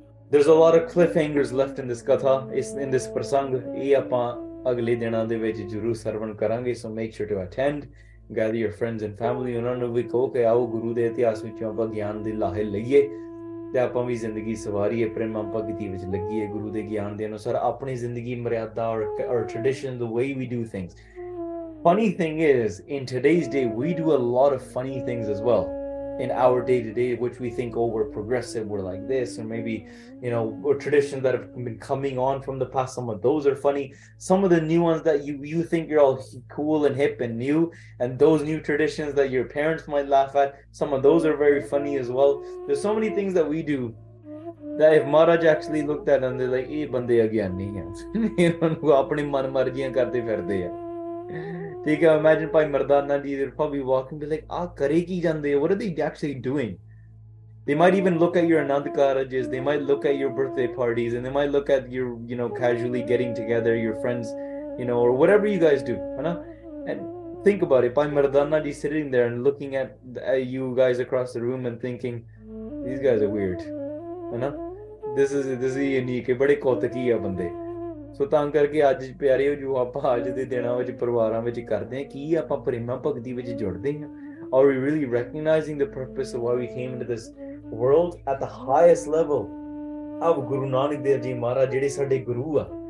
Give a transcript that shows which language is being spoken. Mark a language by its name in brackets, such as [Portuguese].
[English] there is a lot of cliff hangers left in this [Punjabi] ਕਥਾ ਇਸ ਇਨ ਦਿਸ ਪ੍ਰਸੰਗ ਇਹ ਆਪਾਂ ਅਗਲੇ ਦਿਨਾਂ ਦੇ ਵਿੱਚ ਜ਼ਰੂਰ ਸਰਵਣ ਕਰਾਂਗੇ ਸੋ [English] make sure to attend gather your friends and family [Punjabi] ਉਹਨਾਂ ਨੂੰ ਵੀ ਕਹੋ ਕਿ ਆਓ ਗੁਰੂ ਦੇ ਇਤਿਹਾਸ ਵਿੱਚੋਂ ਆਪਾਂ ਗਿਆਨ ਦੇ ਲਾਹੇ ਲਈਏ ਤੇ ਆਪਾਂ ਵੀ ਜ਼ਿੰਦਗੀ ਸਵਾਰੀਏ ਪ੍ਰੇਮਾ ਭਗਤੀ ਵਿੱਚ ਲੱਗੀਏ ਗੁਰੂ ਦੇ ਗਿਆਨ ਦੇ ਅਨੁਸਾਰ ਆਪਣੀ ਜ਼ਿੰਦਗੀ ਮਰਿਆਦਾ ਔਰ tradition [English] The way we do things funny thing is in today's day we do a lot of funny things as well in our day to day, which we think, oh, we're progressive, we're like this, or maybe, you know, or traditions that have been coming on from the past, some of those are funny. Some of the new ones that you think you're all cool and hip and new, and those new traditions that your parents might laugh at, some of those are very funny as well. There's so many things that we do that if Maharaj actually looked at and they're like, eh, [Punjabi] bande agyan nahi hai, [English] you know, [Punjabi] apni man marziyan karte ferde hai. [English] Imagine by Mardana Ji, they'd probably walk and be like, ah, [Punjabi] kareki jande, [English] what are they actually doing? They might even look at your Anand Karajes, they might look at your birthday parties, and they might look at your, you know, casually getting together, your friends, you know, or whatever you guys do. And think about it, by Mardana Ji sitting there and looking at you guys across the room and thinking, these guys are weird. This is unique, but it's [Punjabi] kotaki ya bande. ਸੋ ਤਾਂ ਕਰਕੇ ਅੱਜ ਪਿਆਰੇ ਜੋ ਆਪਾਂ ਅੱਜ ਦੇ ਦਿਨਾਂ ਵਿੱਚ ਪਰਿਵਾਰਾਂ ਵਿੱਚ ਕਰਦੇ ਹਾਂ ਕੀ ਆਪਾਂ ਪ੍ਰੇਮਾ ਭਗਤੀ ਵਿੱਚ ਜੁੜਦੇ ਹਾਂ ਔਰ [English] we really recognising the purpose of why we came in this world at the highest level of [Punjabi] Guru Nanak Dev ji ਮਹਾਰਾਜ ਜਿਹੜੇ ਸਾਡੇ ਗੁਰੂ ਆ